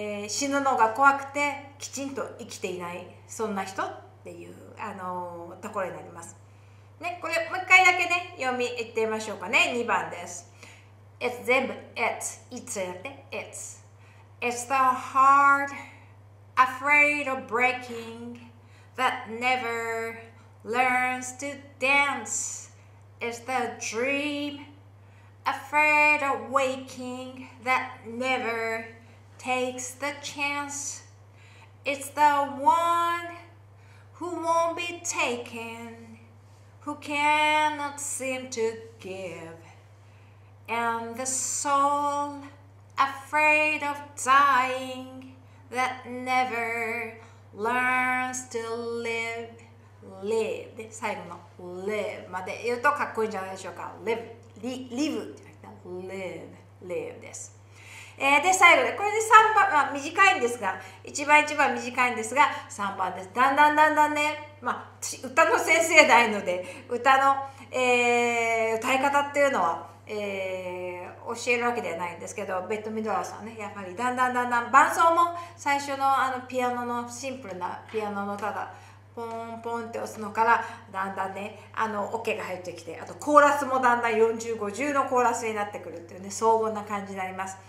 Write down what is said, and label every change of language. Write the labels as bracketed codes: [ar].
[ja] 死ぬのが怖くてきちんと生きていないそんな人っていうところになります。ね、これもう一回だけね、読み言ってみましょうかね。 2番です。 [en] It's [ja] 全部 [en] It's It's It's It's the heart afraid of breaking that never learns to dance. It's the dream afraid of waking that never takes the chance. It's the one who won't be takenWho cannot seem to give. And the soul afraid of dying that never learns to live. Live. [ja] 最後の live まで言うとかっこいいんじゃないでしょうか。 [en] Live. Live. Live. Live [ja] です。で最後でこれで3番、まあ、短いんですが、1番1番短いんですが3番です。だんだんだんだんね、まあ、歌の先生ないので歌の、歌い方っていうのは、教えるわけではないんですけど、ベッド・ミドラーさんね、やっぱりだんだんだんだん伴奏も最初の、 あのピアノのシンプルなピアノのただポンポンって押すのからだんだんね、あのオケが入ってきて、あとコーラスもだんだん40、50のコーラスになってくるっていうね、荘厳な感じになります。